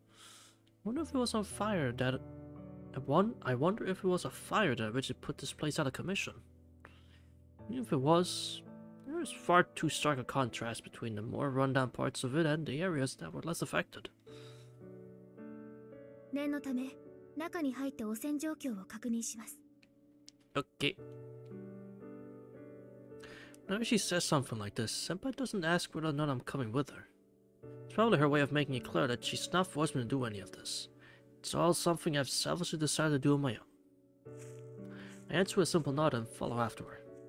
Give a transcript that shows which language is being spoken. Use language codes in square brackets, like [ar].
[en] I wonder if it was a fire that originally put this place out of commission. Even if it was, there is far too stark a contrast between the more run-down parts of it and the areas that were less affected. [ja] 念のため、中に入って汚染状況を確認します。 [en] Okay. Whenever she says something like this, Senpai doesn't ask whether or not I'm coming with her. It's probably her way of making it clear that she's not forced me to do any of this. It's all something I've selfishly decided to do on my own. I answer with a simple nod and follow after her.